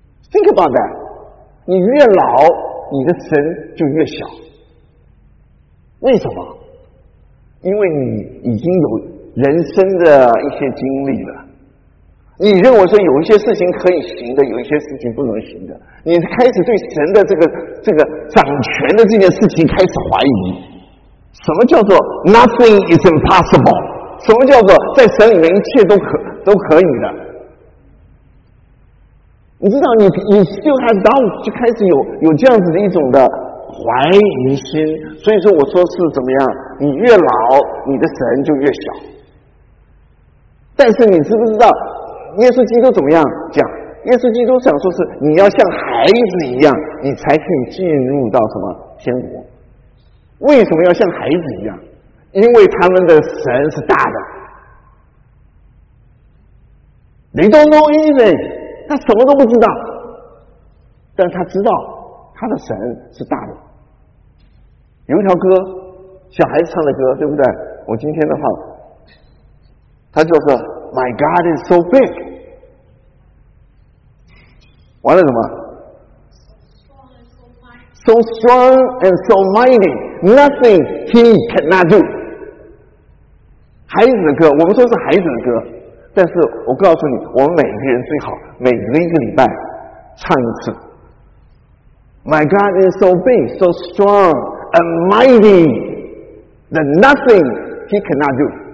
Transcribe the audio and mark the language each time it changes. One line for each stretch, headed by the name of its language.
English: Think about that，
Chinese: 你越老，你的神就越小。为什么？因为你已经有人生的一些经历了，你认为说有一些事情可以行的，有一些事情不能行的，你开始对神的这个掌权的这件事情开始怀疑。什么叫做
English: nothing is impossible？
Chinese: 什么叫做在神里面一切都可以的？你知道你
English: still have doubt，
Chinese: 就开始有这样子的一种的怀疑心。所以说我说是怎么样，你越老你的神就越小。但是你知不知道耶稣基督怎么样讲？耶稣基督想说是你要像孩子一样，你才可以进入到什么天国。为什么要像孩子一样？因为他们的神是大的。
English: They don't know anything，
Chinese: 他什么都不知道，但他知道他的神是大的。有一条歌，小孩子唱的歌，对不对？我今天的话，他就说
English: My God is so big，
Chinese: 完了什么
English: So strong and so mighty， Nothing he cannot do。
Chinese: 孩子的歌，我们说是孩子的歌，但是我告诉你，我们每个人最好每个一个礼拜唱一次。
English: My God is so big, so strong and mighty that nothing he cannot do.